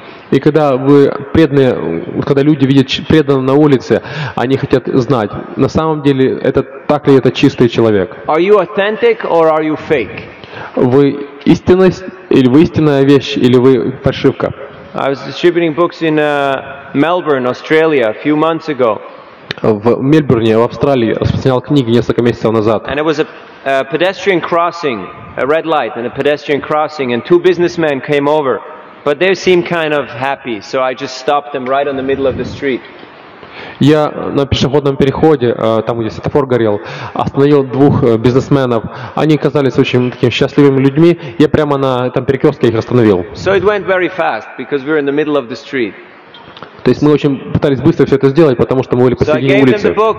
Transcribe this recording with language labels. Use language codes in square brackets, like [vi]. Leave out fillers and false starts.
[ru] и когда вы преданные, когда люди видят преданного на улице, они хотят знать, на самом деле это так ли это чистый человек? [en] Are you authentic or are you fake? [ru] Вы истинность или вы истинная вещь или вы фальшивка? [en] I was distributing books in Melbourne, Australia, a few months ago. [ru] В Мельбурне, в Австралии, распространял книги несколько месяцев назад. [en] And it was a pedestrian crossing, a red light, and a pedestrian crossing, and two businessmen came over, but they seemed kind of happy, so I just stopped them right on the middle of the street. [ru] Я на пешеходном переходе, там где светофор горел, остановил двух бизнесменов. Они казались очень такими счастливыми людьми. Я прямо на этом перекрестке их остановил. [en] So it went very fast because we were in the middle of the street. [ru] То есть мы очень пытались быстро все это сделать, потому что мы были посередине улицы.